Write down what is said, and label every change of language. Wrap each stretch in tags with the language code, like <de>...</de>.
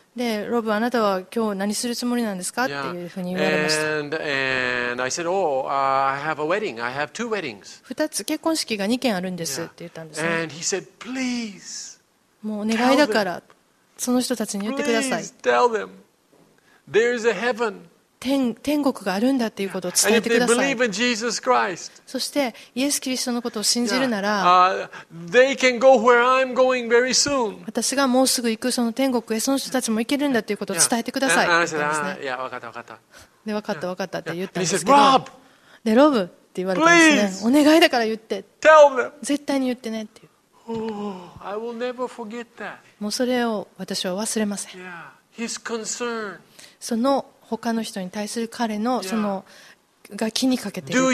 <ja>でロブあなたは今日何するつもりなんですか、yeah. っていうふうに言われました。</ja> <en>and I said, oh, I have a wedding. I have two weddings.</en> <ja>2つ結婚式が2件あるんです、yeah. って言ったんですね。</ja> <en>And he said, please,</en> <ja>もうお願いだからその人たちに言ってください。</ja> <en>Please tell them there's a heaven.</en> <ja>天国があるんだっていうことを伝えてください。</ja> <en>And if they believe in Jesus Christ,</en> <ja>そしてイエス・キリストのことを信じるなら、</ja> <en>they can go where I'm going very soon.</en> <ja>私がもうすぐ行くその天国へその人たちも行けるんだっていうことを伝えてください。</ja> <en>And I said, ah, yeah,</en> <ja>分かった分かった。で、分かった分かったって言ったんですけど、</ja> <en>And he said, Rob!</en> <ja>で、ロブって言われたんですね。 お願いだから言って。</ja> <en>Tell them!</en> <ja>絶対に言ってねっていう。</ja> <en>Oh, I will never forget that.</en> <ja>もうそれを私は忘れません。</ja> <en>Yeah. His concern.</en> <ja>その他の人に対する彼のそのが気にかけている</ja>